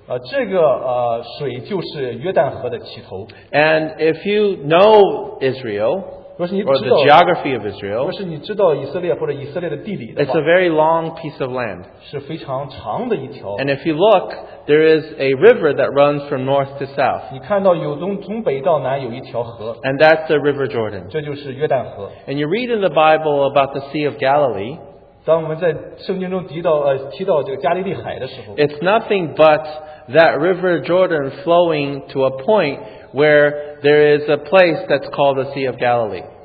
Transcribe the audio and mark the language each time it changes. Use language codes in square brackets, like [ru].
[zh] 这个水就是约旦河的起头。 [en] And if you know Israel, [zh] 若是你知道, [en] or the geography of Israel, [zh] 若是你知道以色列或者以色列的地理的话, [en] it's a very long piece of land. [zh] 是非常长的一条。 [en] And if you look, there is a river that runs from north to south. [zh] 你看到有从北到南有一条河。 [en] And that's the River Jordan. [zh] 这就是约旦河。 [en] And you read in the Bible about the Sea of Galilee, [zh] 当我们在圣经中提到, 提到这个加利利海的时候, [en] it's nothing but that River Jordan flowing to a point where there is a place that's called the Sea of Galilee.